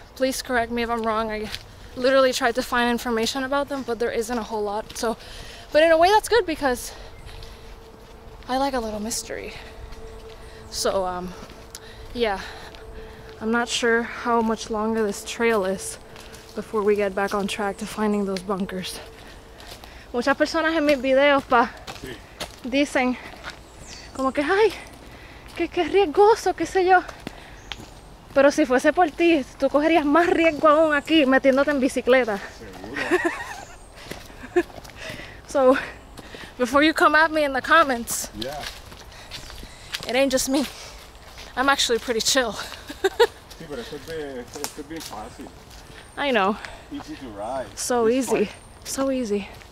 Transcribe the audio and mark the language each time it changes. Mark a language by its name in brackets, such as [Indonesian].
[English] Please correct me if I'm wrong. I literally tried to find information about them, but there isn't a whole lot. So, but in a way that's good because I like a little mystery. So, yeah. I'm not sure how much longer this trail is before we get back on track to finding those bunkers. [Spanish] Muchas personas en mis videos, pa, dicen como que, ay, que riesgoso, qué sé yo. Pero si fuese por ti, tú cogerías más riesgo aún aquí metiéndote en bicicleta. [English] So, before you come at me in the comments, yeah. It ain't just me. I'm actually pretty chill. [Spanish] Sí, pero [English] it could be [Spanish] fácil. [English] I know. Easy to ride. So it's easy. Fun. So easy.